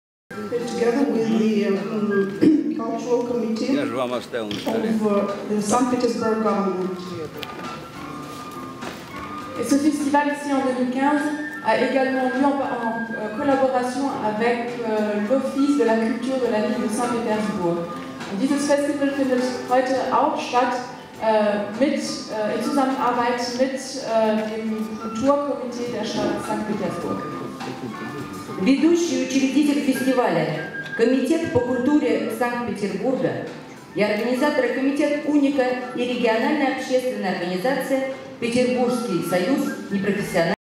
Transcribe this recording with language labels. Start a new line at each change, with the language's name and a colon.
English: Together with the cultural committee of the St. Petersburg government.
French: Ce festival ici en 2015 a également lieu en collaboration avec l'Office de la culture de la ville de Saint-Pétersbourg.
German: Dieses Festival findet heute auch statt in Zusammenarbeit mit dem Kulturkomitee der Stadt Saint-Pétersbourg.
Russian: Ведущий учредитель фестиваля, Комитет по культуре Санкт-Петербурга и организаторы Комитет УНИКА и региональная общественная организация Петербургский союз непрофессиональных.